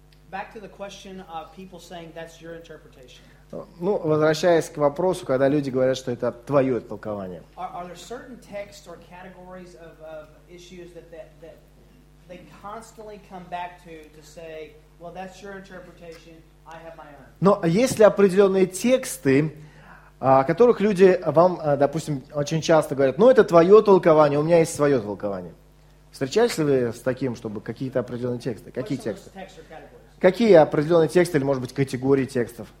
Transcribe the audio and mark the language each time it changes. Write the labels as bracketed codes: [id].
[en] Back to the question of people saying that's your interpretation. [ru] Ну, возвращаясь к вопросу, когда люди говорят, что это твое толкование. [en] Are there certain texts or categories of issues that they constantly come back to say, well, that's your interpretation, I have my own? [ru] Но есть ли определенные тексты, о которых люди вам, допустим, очень часто говорят, ну, это твое толкование, у меня есть свое толкование. Встречались ли вы с таким, чтобы какие-то определенные тексты? Какие тексты? Какие определенные тексты или, может быть, категории текстов?